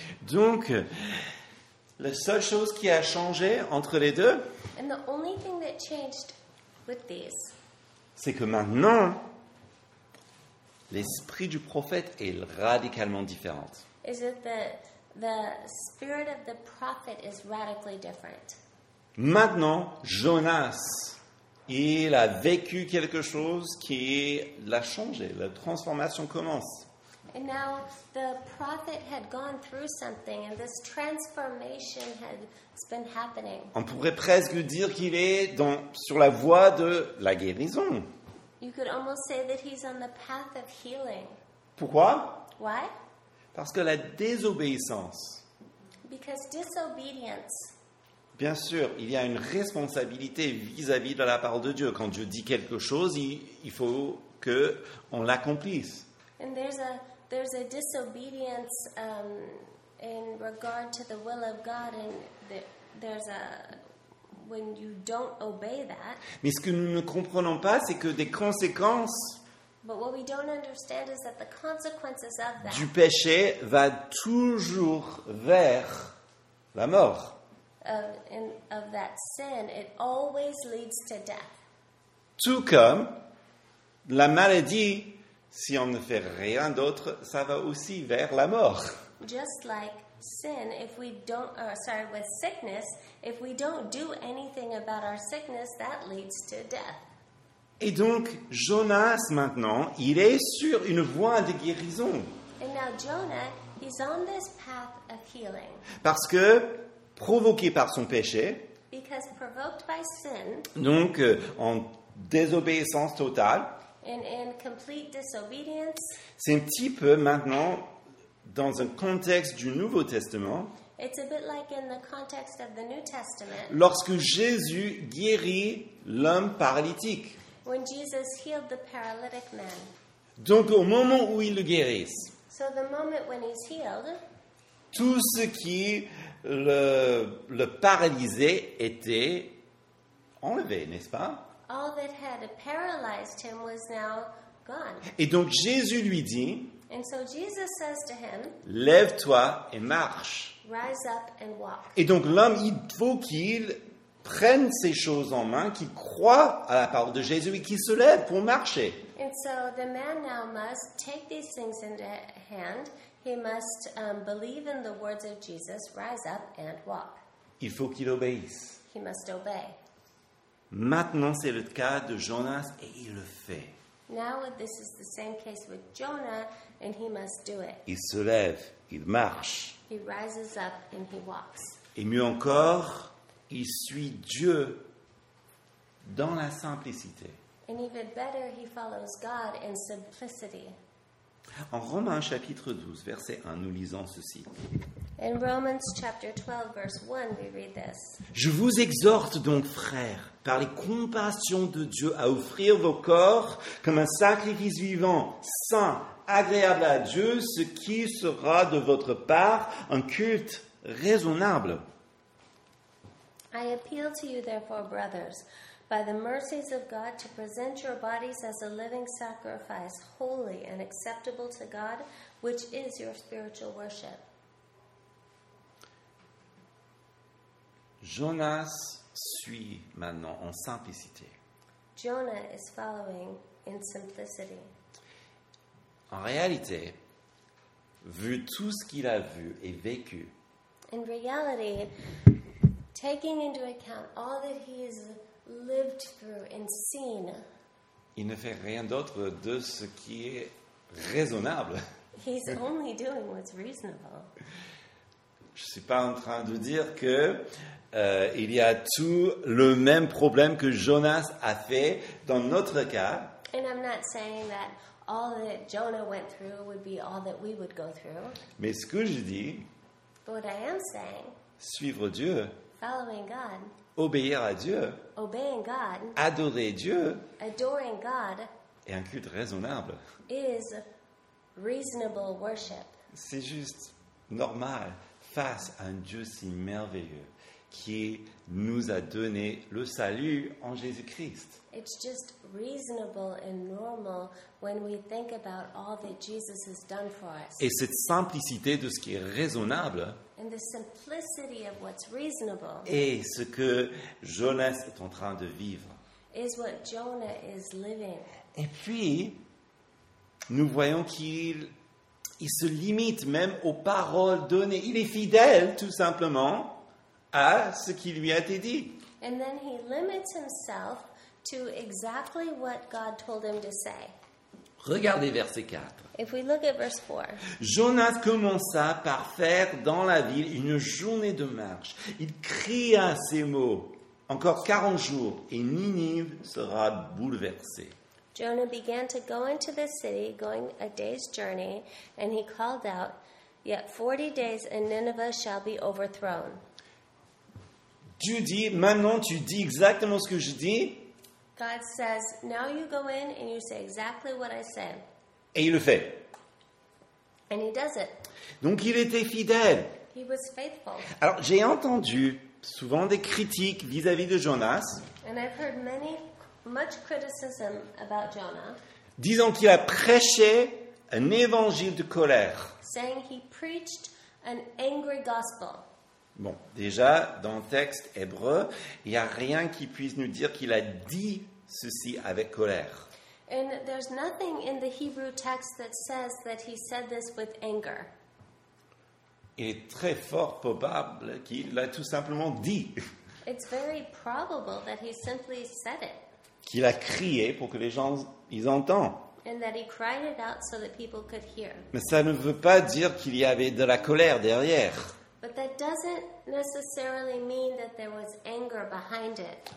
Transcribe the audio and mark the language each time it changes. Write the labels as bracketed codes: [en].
[fr] Donc la seule chose qui a changé entre les deux, [en] and the only thing that changed with these, [fr] c'est que maintenant l'esprit du prophète est radicalement différent. [en] Is it that the spirit of the prophet is radically different? [fr] Maintenant, Jonas, il a vécu quelque chose qui l'a changé. La transformation commence. [en] And now the prophet had gone through something and this transformation has been happening. [fr] On pourrait presque dire qu'il est sur la voie de la guérison. [en] You could almost say that he's on the path of healing. [fr] Pourquoi? [en] Why? [fr] Parce que la désobéissance. [en] Because disobedience. [fr] Bien sûr, il y a une responsabilité vis-à-vis de la parole de Dieu. Quand Dieu dit quelque chose, il faut qu'on l'accomplisse. [en] And there's a disobedience in regard to the will of God, and there's a when you don't obey that, [fr] mais ce que nous ne comprenons pas, c'est que des conséquences [en] but what we don't understand is that the consequences of that, [fr] du péché va toujours vers la mort. [en] Of that sin, it always leads to death. [fr] Tout comme la maladie, si on ne fait rien d'autre, ça va aussi vers la mort. [en] Just like sin, if we don't, with sickness, if we don't do anything about our sickness, that leads to death. [fr] Et donc, Jonas, maintenant, il est sur une voie de guérison. [en] And now Jonah, he's on this path of healing. [fr] Parce que, provoqué par son péché, [en] because provoked by sin, [fr] donc, en désobéissance totale, [en] in complete disobedience, [fr] c'est un petit peu maintenant dans un contexte du Nouveau Testament, [en] it's a bit like in the context of the New Testament, [fr] lorsque Jésus guérit l'homme paralytique. [en] When Jesus healed the paralytic man. [fr] Donc au moment où il le guérit, [en] so the moment when he's healed, [fr] tout ce qui le paralysait était enlevé, n'est-ce pas? [en] All that had paralyzed him was now gone. [fr] Et donc Jésus lui dit, [en] and so Jesus says to him, [fr] lève-toi et marche. [en] Rise up and walk. [fr] Et donc l'homme, il faut qu'il prenne ses choses en main, qu'il croie à la parole de Jésus et qu'il se lève pour marcher. [en] And so the man now must take these things in hand. He must believe in the words of Jesus, rise up and walk. [fr] Il faut qu'il obéisse. [en] He must obey. [fr] Maintenant, c'est le cas de Jonas et il le fait. [en] Now this is the same case with Jonah and he must do it. [fr] Il se lève, il marche. [en] He rises up and he walks. [fr] Et mieux encore, il suit Dieu dans la simplicité. [en] And even better, he follows God in simplicity. [fr] En Romains chapitre 12, verset 1, nous lisons ceci. [en] In Romans chapter 12, verse 1, we read this. [fr] Je vous exhorte donc, frères, par les compassions de Dieu, à offrir vos corps comme un sacrifice vivant, saint, agréable à Dieu, ce qui sera de votre part un culte raisonnable. [en] I appeal to you, therefore, brothers, by the mercies of God, to present your bodies as a living sacrifice, holy and acceptable to God, which is your spiritual worship. [fr] Jonas suit maintenant en simplicité. [en] Jonah is following in simplicity. [fr] En réalité, vu tout ce qu'il a vu et vécu, [en] in reality, taking into account all that he is lived through and seen, [fr] il ne fait rien d'autre de ce qui est raisonnable. [en] He's only doing what's reasonable. [fr] Je ne suis pas en train de dire que il y a tout le même problème que Jonas a fait dans notre cas. [en] And I'm not saying that all that Jonah went through would be all that we would go through. [fr] Mais ce que je dis, [en] but what I am saying, [fr] suivre Dieu, [en] following God, [fr] obéir à Dieu, [en] obeying God, [fr] adorer Dieu, [en] adoring God, [fr] et un culte raisonnable, [en] is reasonable worship. [fr] C'est juste normal face à un Dieu si merveilleux qui nous a donné le salut en Jésus-Christ. [en] It's just reasonable and normal when we think about all that Jesus has done for us. [fr] Et cette simplicité de ce qui est raisonnable, [en] and the simplicity of what's reasonable, [fr] et ce que Jonas est en train de vivre, [en] is what Jonah is living. [fr] Et puis, nous voyons qu'il se limite même aux paroles données. Il est fidèle, tout simplement, à ce qui lui a été dit. [en] And then he limits himself to exactly what God told him to say. [fr] Regardez verset 4. [en] If we look at verse 4. [fr] Jonas commença par faire dans la ville une journée de marche. Il cria ces mots, encore 40 jours et Ninive sera bouleversée. [en] Jonah began to go into the city, going a day's journey, and he called out, yet 40 days and Nineveh shall be overthrown. [fr] Dieu dit, maintenant tu dis exactement ce que je dis. [en] God says, now you go in and you say exactly what I say. [fr] Et il le fait. [en] And he does it. [fr] Donc il était fidèle. [en] He was faithful. [fr] Alors j'ai entendu souvent des critiques vis-à-vis de Jonas. [en] And I've heard much criticism about Jonah. [fr] Disant qu'il a prêché un évangile de colère. [en] Saying he preached an angry gospel. [fr] Bon, déjà, dans le texte hébreu, il n'y a rien qui puisse nous dire qu'il a dit ceci avec colère. [en] And there's nothing in the Hebrew text that says that he said this with anger. [fr] Il est très fort probable qu'il l'a tout simplement dit. [en] It's very probable that he simply said it. [fr] Qu'il a crié pour que les gens ils entendent. [en] And that he cried it out so that people could hear. [fr] Mais ça ne veut pas dire qu'il y avait de la colère derrière. [en] But that doesn't necessarily mean that there was anger behind it.